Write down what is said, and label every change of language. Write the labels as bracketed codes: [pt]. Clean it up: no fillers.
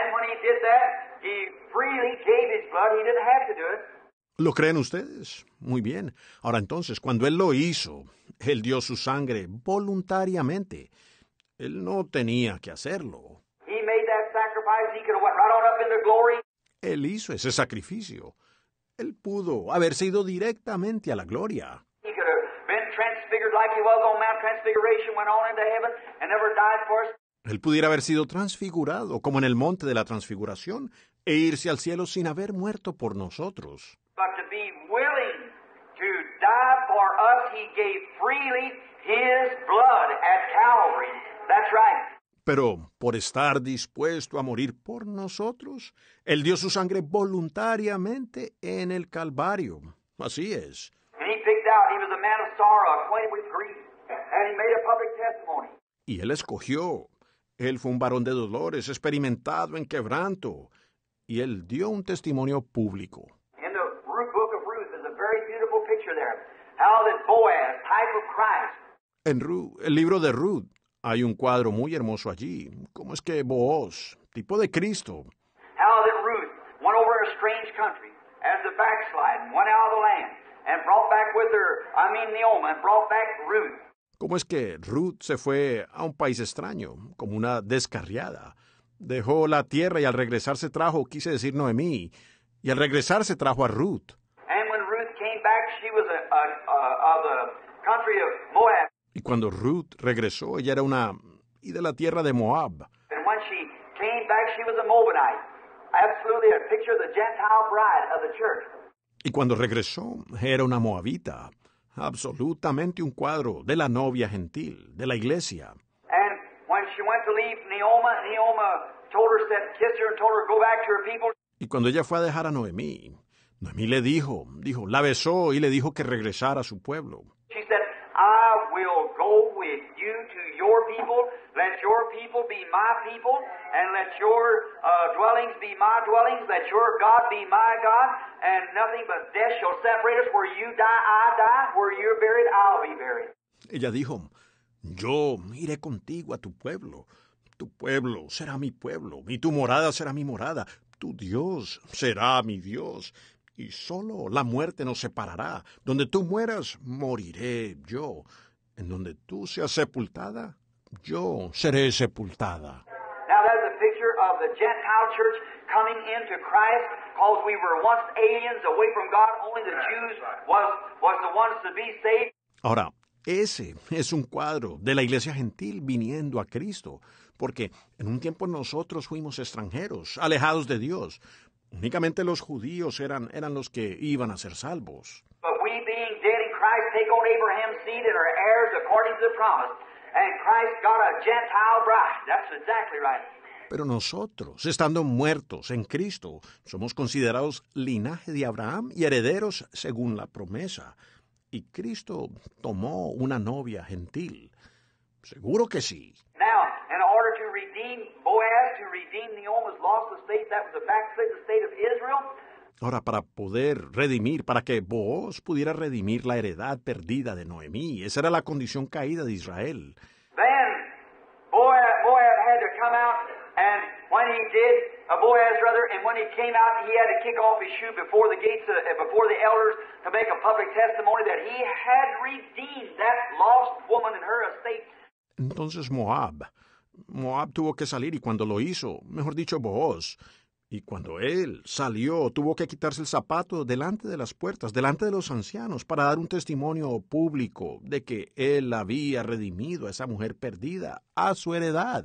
[en] he did that, he freely gave his blood. He didn't have to do it. [es] ¿Lo creen ustedes? Muy bien. Ahora entonces, cuando él lo hizo, él dio su sangre voluntariamente. Él no tenía que hacerlo. [en] He made that sacrifice. He could have went right on up into glory. [es] Él hizo ese sacrificio. Él pudo haberse ido directamente a la gloria. [en] He could have been transfigured like he was on Mount Transfiguration, went on into heaven and never died for us. [es] Él pudiera haber sido transfigurado como en el monte de la transfiguración e irse al cielo sin haber muerto por nosotros. [en] But to be willing to die for us, he gave freely his blood at Calvary. That's right. [es] Pero por estar dispuesto a morir por nosotros, él dio su sangre voluntariamente en el Calvario. Así es. [en] And he picked out, he was a man of sorrow, acquainted with grief, and he made a public testimony. [es] Y él escogió. Él fue un varón de dolores, experimentado en quebranto, y él dio un testimonio público. [en] In the book of Ruth is a very beautiful picture there. How that Boaz, type of Christ. [es] En el libro de Ruth, hay un cuadro muy hermoso allí. ¿Cómo es que Boaz, tipo de Cristo? [en] How that Ruth went over a strange country as a backslide, went out of the land, and brought back with her, Naomi, and brought back Ruth. [es] ¿Cómo es que Ruth se fue a un país extraño, como una descarriada? Dejó la tierra y al regresarse trajo, quise decir Noemí, y al regresarse trajo a Ruth. [en] And when Ruth came back, she was of the country of Moab. [es] Y cuando Ruth regresó, ella era una y de la tierra de Moab. [en] And when she came back, she was a Moabite. Absolutely a picture of the Gentile bride of the church. [es] Y cuando regresó, era una Moabita. Absolutamente un cuadro de la novia gentil, de la iglesia. [en] And when she went to leave Naomi told her, said, kiss her and told her, go back to her people. [es] Y cuando ella fue a dejar a Noemí, Noemí le dijo, la besó y le dijo que regresara a su pueblo. [en] She said, I will go with you to your people, let your people be my people, and let your dwellings be my dwellings, let your God be my God, and nothing but death shall separate us, where you die, I die, where you're buried, I'll be buried. [es] Ella dijo, yo iré contigo a tu pueblo será mi pueblo, y tu morada será mi morada, tu Dios será mi Dios. Y solo la muerte nos separará. Donde tú mueras, moriré yo. En donde tú seas sepultada, yo seré sepultada. [en] Now that's a picture of the Gentile church coming into Christ, because we were once aliens away from God. Only the Jews was the ones to be saved. [es] Ahora, ese es un cuadro de la iglesia gentil viniendo a Cristo. Porque en un tiempo nosotros fuimos extranjeros, alejados de Dios. Únicamente los judíos eran los que iban a ser salvos. [en] But we being dead in Christ take on Abraham's seed and are heirs according to the promise. And Christ got a Gentile bride. That's exactly right. [es] Pero nosotros, estando muertos en Cristo, somos considerados linaje de Abraham y herederos según la promesa. Y Cristo tomó una novia gentil. Seguro que sí. [en] Now, in order to redeem Boaz, to redeem Naomi's lost estate, that was the backslid estate of Israel. [es] Ahora, para poder redimir, para que Boaz pudiera redimir la heredad perdida de Noemí, esa era la condición caída de Israel. [en] Then, Boaz had to come out, and when he did, and when he came out, he had to kick off his shoe before the gates, before the elders, to make a public testimony that he had redeemed that lost woman and her estate. [es] Entonces Moab tuvo que salir, y cuando lo hizo, mejor dicho Boaz, y cuando él salió, tuvo que quitarse el zapato delante de las puertas, delante de los ancianos, para dar un testimonio público de que él había redimido a esa mujer perdida, a su heredad.